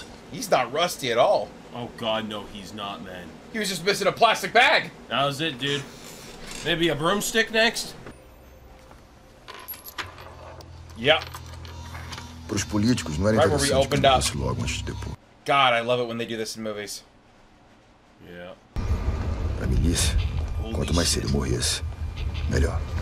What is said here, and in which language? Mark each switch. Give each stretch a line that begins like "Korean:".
English: He's not rusty at all. Oh, God, no, he's not, man. He was just missing a plastic bag. That was it, dude. Maybe a broomstick next? Yep.
Portuguese: Para os políticos, não era interessante logo antes de depor.
English: God, I love it when they do this in movies. Yeah.
Portuguese: Para a milícia, quanto mais cedo morresse, melhor.